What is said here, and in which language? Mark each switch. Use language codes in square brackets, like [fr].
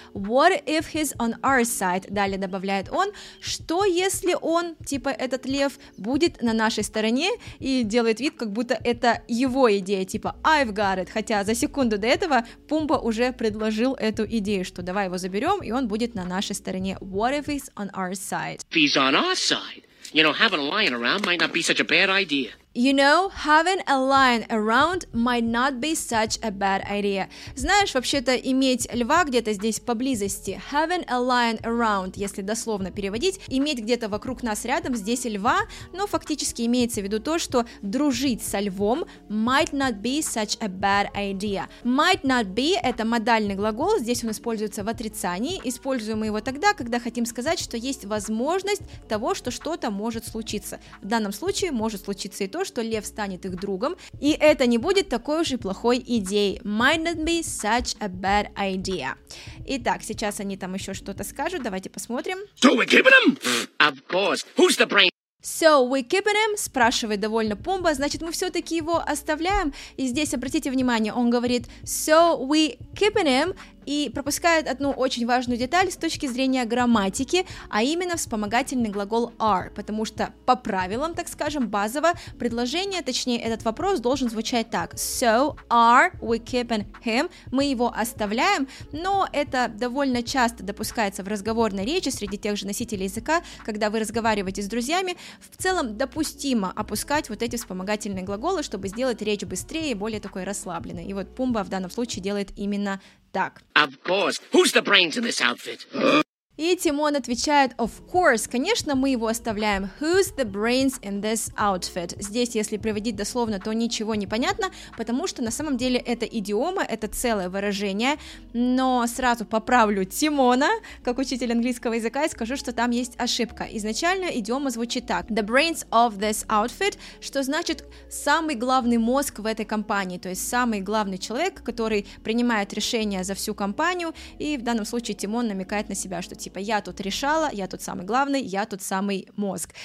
[en] «What if he's on our side?» – [ru] далее добавляет он. «Что если он, типа этот лев, будет на нашей стороне?» И делает вид, как будто это его идея, типа [en] «I've got it». [ru] Хотя за секунду до этого Пумба уже предложил эту идею, что «Давай его заберем, и он будет на нашей стороне». [en] What if he's on our side? If he's on our side, you know, having a lion around might not be such a bad idea. You know, having a lion around might not be such a bad idea. [ru] Знаешь, вообще-то иметь льва где-то здесь поблизости. [en] Having a lion around, [ru] если дословно переводить, иметь где-то вокруг нас рядом здесь льва, но фактически имеется в виду то, что дружить со львом [en] might not be such a bad idea. Might not be [ru] – это модальный глагол, здесь он используется в отрицании. Используем мы его тогда, когда хотим сказать, что есть возможность того, что что-то может случиться. В данном случае может случиться и то, что лев станет их другом, и это не будет такой уж и плохой идеей. [en] Might not be such a bad idea. [ru] Итак, сейчас они там еще что-то скажут, давайте посмотрим. [en] So we're keeping them? Of course. Who's the brain? So we keeping him, [ru] спрашивает довольно Пумба, значит мы все-таки его оставляем, и здесь обратите внимание, он говорит [en] so we keeping him, [ru] и пропускают одну очень важную деталь с точки зрения грамматики, а именно вспомогательный глагол are, потому что по правилам, так скажем, базово предложение, точнее этот вопрос должен звучать так: [en] So are we keeping him? [ru] Мы его оставляем, но это довольно часто допускается в разговорной речи среди тех же носителей языка, когда вы разговариваете с друзьями, в целом допустимо опускать вот эти вспомогательные глаголы, чтобы сделать речь быстрее и более такой расслабленной. И вот Пумба в данном случае делает именно так. [en] Of course. Who's the brains in this outfit? [ru] И Тимон отвечает, [en] of course, [ru] конечно, мы его оставляем. [en] Who's the brains in this outfit? [ru] Здесь, если приводить дословно, то ничего не понятно, потому что на самом деле это идиома, это целое выражение. Но сразу поправлю Тимона, как учитель английского языка, и скажу, что там есть ошибка. Изначально идиома звучит так: [en] the brains of this outfit, [ru] что значит самый главный мозг в этой компании, то есть самый главный человек, который принимает решения за всю компанию, и в данном случае Тимон намекает на себя, что типа я тут решала, я тут самый главный, я тут самый мозг.